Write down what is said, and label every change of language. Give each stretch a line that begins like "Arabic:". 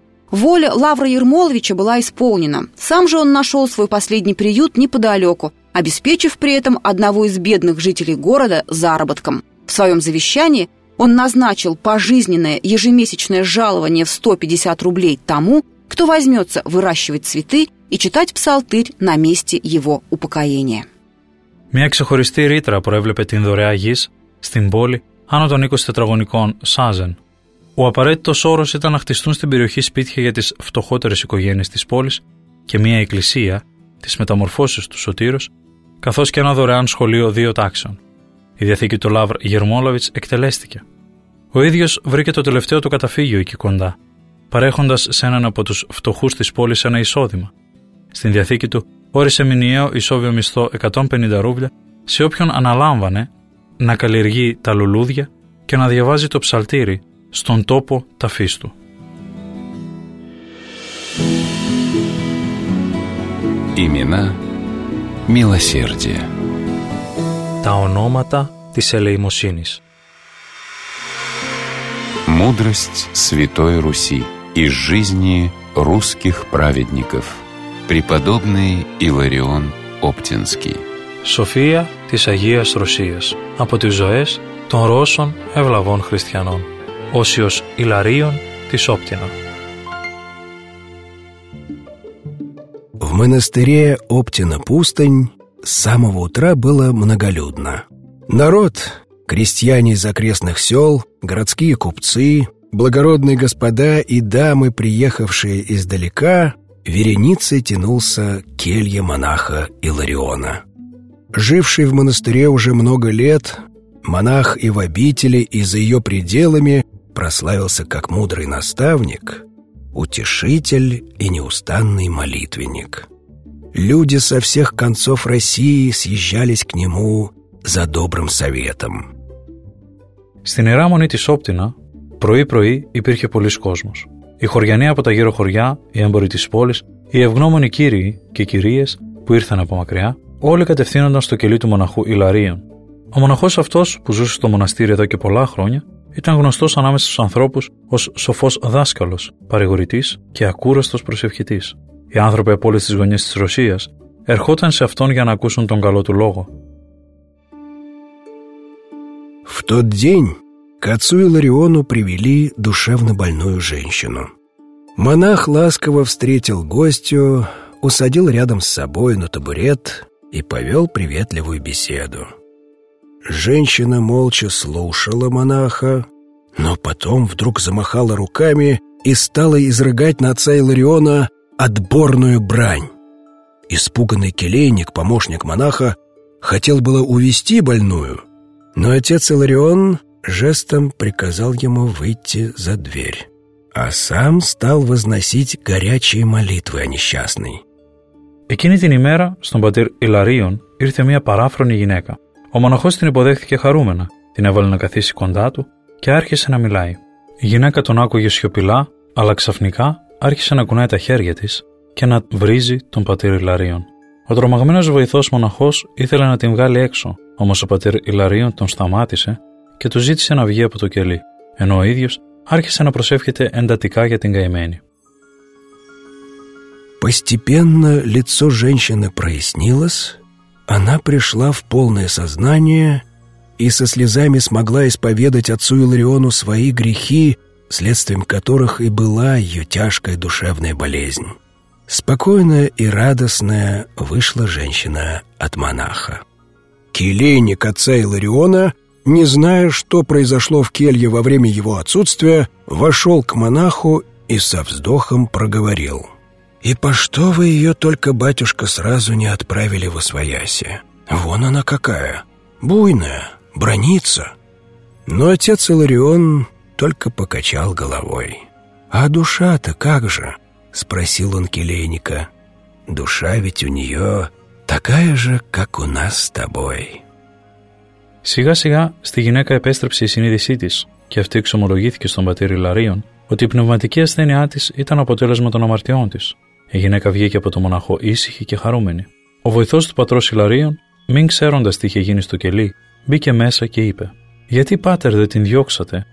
Russian: Воля Лавра Ермоловича была исполнена. Сам же он нашел свой последний приют неподалеку, обеспечив при этом одного из бедных жителей города заработком. В своем завещании он назначил пожизненное ежемесячное жалование в 150 рублей тому, кто возьмется выращивать цветы и читать псалтырь на месте его упокоения.
Greek: Μια ξεχωριστή ρήτρα προέβλεπε την δωρεά γης στην πόλη άνω των 20 τετραγωνικών Σάζεν. Ο απαραίτητος όρος ήταν να χτιστούν στην περιοχή σπίτια για τις φτωχότερες οικογένειες της πόλης και μια εκκλησία της μεταμορφώσεως του Σωτήρος, καθώς και ένα δωρεάν σχολείο δύο τάξεων. Η διαθήκη του Λαύρ Γερμόλαβιτς εκτελέστηκε. Ο ίδιος βρήκε το τελευταίο του καταφύγιο εκεί κοντά, παρέχοντας σε έναν από τους φτωχούς της πόλης ένα εισόδημα. Στην διαθήκη του όρισε μηνιαίο ισόβιο μισθό 150 ρούβλια σε όποιον αναλάμβανε να καλλιεργεί τα λουλούδια και να διαβάζει το ψαλτήρι στον τόπο ταφής του.
Russian: Имена милосердия.
Greek: Τα ονόματα της ελεημοσύνης.
Russian: Мудрость Святой Руси из жизни русских праведников. Преподобный Иларион Оптинский.
Greek: София της Αγίας Ρωσίας. Από τις ζωές των Ρώσων ευλαβών χριστιανών. Όσιος Ιλαρίων της Όπτινα.
Russian: монастыре Оптина-Пустынь с самого утра было многолюдно. Народ, крестьяне из окрестных сел, городские купцы, благородные господа и дамы, приехавшие издалека, вереницей тянулся к келье монаха Илариона. Живший в монастыре уже много лет, монах и в обители, и за ее пределами прославился как мудрый наставник, утешитель и неустанный молитвенник. Люди со всех концов России съезжались к нему за добрым советом.
Greek: Στην ιεράμονη της Όπτινα, πρωί-πρωί υπήρχε πολύς κόσμος. Οι χωριανοί από τα γύρω χωριά, οι έμποροι της πόλης, οι ευγνώμονοι κύριοι και κυρίες που ήρθαν από μακριά, όλοι κατευθύνονταν στο κελί του μοναχού Ιλαρίων. Ο μοναχός αυτός που ζούσε στο μοναστήρι εδώ και πολλά χρόνια ήταν γνωστός ανάμεσα στους ανθρώπους ως σοφός δάσκαλος, παρηγορητής και ακούραστος προσευχητής. Οι άνθρωποι από όλες τις γωνίες της Ρωσίας ερχόταν σε αυτόν για να ακούσουν τον καλό του λόγο.
Russian: В тот день к отцу Илариону привели душевно больную женщину. Монах ласково встретил гостью, усадил рядом с собой на табурет и повел приветливую беседу. Женщина молча слушала монаха, но потом вдруг замахала руками и стала изрыгать на отца Илариона отборную брань. Испуганный келейник, помощник монаха, хотел было увести больную, но отец Иларион жестом приказал ему выйти за дверь, а сам стал возносить горячие молитвы о несчастной.
Greek: Εκείνη την ημέρα στον πατήρ Ιλαρίον ήρθε μια παράφρονη γυναίκα. Ο μοναχός την υποδέχθηκε χαρούμενα, την έβαλε να καθίσει κοντά του και άρχισε να μιλάει. Η γυναίκα τον άκουγε σιωπηλά, αλλά ξαφνικά άρχισε να κουνάει τα χέρια της και να βρίζει τον πατήρ Ιλαρίον. Ο τρομαγμένος βοηθός μοναχός ήθελε να την βγάλει έξω, όμως ο πατήρ Ιλαρίον τον σταμάτησε και του ζήτησε να βγει από το κελί, ενώ ο ίδιος άρχισε να προσεύχεται εντατικά για την καημένη.
Russian: Постепенно лицо женщины прояснилось, она пришла в полное сознание и со слезами смогла исповедать отцу Илариону свои грехи, следствием которых и была ее тяжкая душевная болезнь. Спокойная и радостная вышла женщина от монаха. Келейник отца Илариона, не зная, что произошло в келье во время его отсутствия, вошел к монаху и со вздохом проговорил: «И по что вы ее только, батюшка, сразу не отправили во свояси? Вон она какая, буйная, бранится». Но отец Иларион только покачал головой. «А душа-то как же?» — спросил он келейника. «Душа ведь у нее такая же, как у нас с тобой».
Greek: Сига-сига στη γυναίκα επέστρεψε η συνείδησή της και αυτή εξομολογήθηκε στον πατήρ Ιλαρίον ότι η πνευματική ασθένειά της ήταν αποτέλεσμα των αμαρτιών της. Η γυναίκα βγήκε από το μοναχό ήσυχη και χαρούμενη. Ο βοηθός του πατρός Ιλαρίων, μην ξέροντας τι είχε γίνει στο κελί, μπήκε μέσα και είπε: «Γιατί, πάτερ, δεν την διώξατε?